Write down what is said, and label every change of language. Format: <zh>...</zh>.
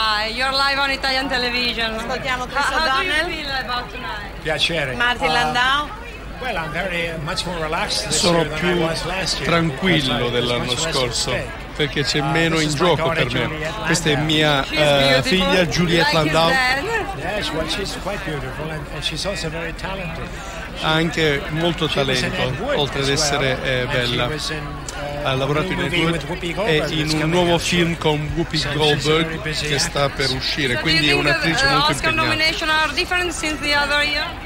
<en>You're live on Italian television.</en> <it>Ascoltiamo Chris O'Donnell. Piacere. Martin Landau.</it> <en>Well, I'm very much more relaxed.</en> <it>Sono più tranquillo dell'anno scorso perché c'è meno in gioco per me. Questa è mia figlia Juliette Landau.</it> <en>Yes, well, she's quite beautiful and she's also very talented.</en> <it>Ha anche molto talento, oltre ad essere bella. Ha lavorato in Edward e in un nuovo film con Whoopi Goldberg che sta per uscire, quindi è un'attrice molto</it> <en>Oscar nomination are different since the other year?</en>